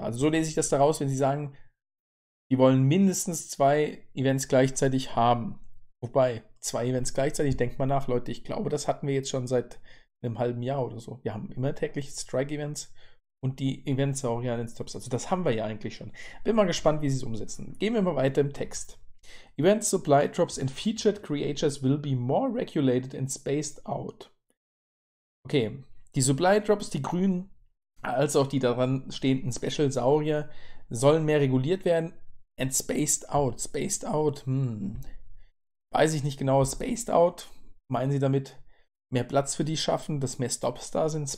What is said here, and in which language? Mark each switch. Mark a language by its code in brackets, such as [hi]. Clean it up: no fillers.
[de] Also so lese ich das daraus, wenn sie sagen, die wollen mindestens zwei Events gleichzeitig haben. Wobei, zwei Events gleichzeitig, denkt mal nach, Leute, ich glaube, das hatten wir jetzt schon seit einem halben Jahr oder so. Wir haben immer tägliche Strike-Events und die Event-Saurier an den Stops. Also das haben wir ja eigentlich schon. Bin mal gespannt, wie sie es umsetzen. Gehen wir mal weiter im Text. [en] Event Supply Drops and Featured Creatures will be more regulated and spaced out. [de] Okay, die Supply Drops, die grünen, als auch die daran stehenden Special Saurier, sollen mehr reguliert werden. [en] And spaced out. Spaced out, [de] weiß ich nicht genau. Spaced out, meinen Sie damit mehr Platz für die schaffen, dass mehr Stops da sind?